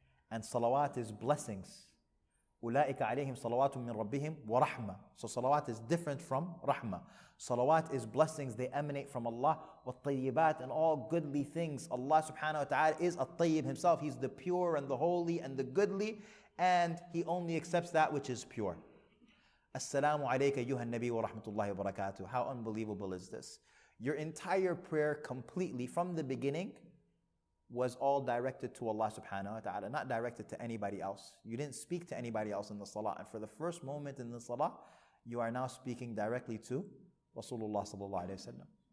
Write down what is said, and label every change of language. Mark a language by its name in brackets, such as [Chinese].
[English] And salawat is blessings. [Arabic] أُولَٰئِكَ عَلَيْهِمْ صَلَوَاتٌ مِّنْ رَبِّهِمْ وَرَحْمَةٌ. [English] So salawat is different from rahmah. Salawat is blessings, they emanate from Allah. وَالطَّيِّبَاتِ and all goodly things. Allah subhanahu wa ta'ala is الطَّيِّب himself. He's the pure and the holy and the goodly. And he only accepts that which is pure. [Arabic] السلام عليك أيها النبي ورحمة الله وبركاته. [English] How unbelievable is this? Your entire prayer completely from the beginning was all directed to Allah subhanahu wa ta'ala, not directed to anybody else. You didn't speak to anybody else in the salah. And for the first moment in the salah, you are now speaking directly to Rasulullah sallallahu alayhi wa sallam.